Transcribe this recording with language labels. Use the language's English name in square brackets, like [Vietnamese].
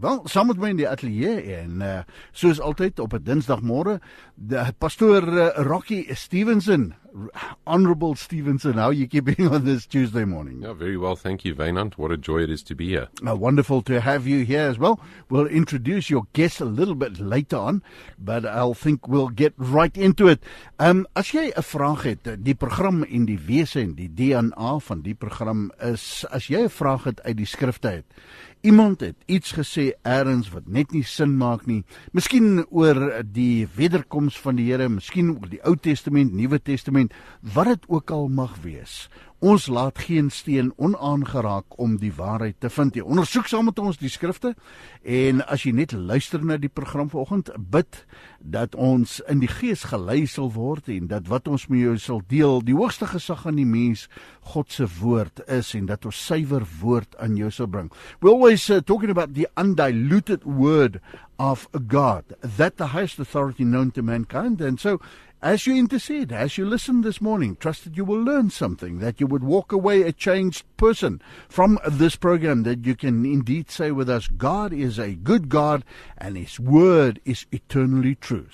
[Afrikaans] Well, saam met my in die atelier en soos altyd op 'n Dinsdagmôre, the pastoor Rocky Stevenson. [English] Honorable Stevenson, how are you keeping on this Tuesday morning? Yeah, very well, thank you, Vaynant. What a joy it is to be here. Wonderful to have you here as well. We'll introduce your guest a little bit later on, but I'll think we'll get right into it. [Afrikaans] As jy 'n vraag het, die program en die wese en die DNA van die program is, as jy 'n vraag het uit die skrifte uit, iemand het iets gesê ergens wat net nie sin maak nie, miskien oor die wederkoms van die Here, miskien oor die Ou Testament, Nuwe Testament, wat het ook al mag wees. Ons laat geen steen onaangeraak om die waarheid te vind. Jy ondersoek saam met ons die skrifte en as jy net luister na die program vanoggend, bid dat ons in die gees gelei sal word en dat wat ons met jou sal deel, die hoogste gesag aan die mens, God se woord is en dat ons suiwer woord aan jou sal bring. [English] We're always talking about the undiluted word of God, that the highest authority known to mankind, and so as you intercede, as you listen this morning, trust that you will learn something, that you would walk away a changed person from this program, that you can indeed say with us, God is a good God and His word is eternally true.